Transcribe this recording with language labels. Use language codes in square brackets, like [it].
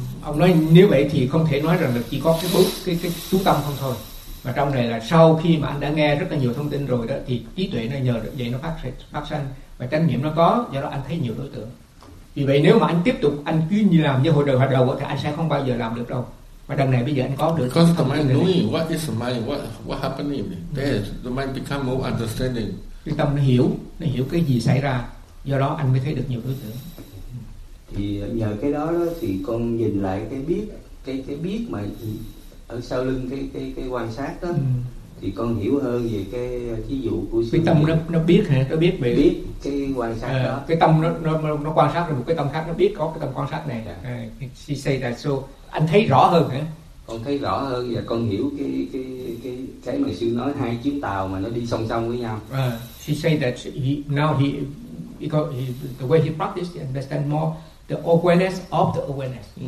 [vi] Ông nói nếu vậy thì không thể nói rằng là chỉ có cái bước cái chú tâm không thôi. Mà trong này là sau khi mà anh đã nghe rất là nhiều thông tin rồi đó thì trí tuệ nó nhờ vậy nó phát sinh và trải nghiệm nó có, do đó anh thấy nhiều đối tượng. Vì vậy nếu mà anh tiếp tục anh cứ như làm như hồi đầu thì anh sẽ không bao giờ làm được đâu. Mà đằng này bây giờ anh có được. [en] Because the mind knowing what is the mind, what happening there, the mind become more understanding. [vi] Cái tâm nó hiểu cái gì xảy ra, do đó anh mới thấy được nhiều đối tượng. Thì nhờ cái đó thì con nhìn lại cái biết mà ở sau lưng cái quan sát đó, thì con hiểu hơn về cái ví dụ của cái tâm nó biết hả, nó biết về biết cái quan sát đó, cái tâm nó quan sát được một cái tâm khác, nó biết có cái tâm quan sát này. [en] She say that, so [vi] anh thấy rõ hơn hả? Con thấy rõ hơn và con hiểu cái mà sư nói hai chuyến tàu mà nó đi song song với nhau. [en] She say that the way he practiced, he understand more the awareness of the awareness.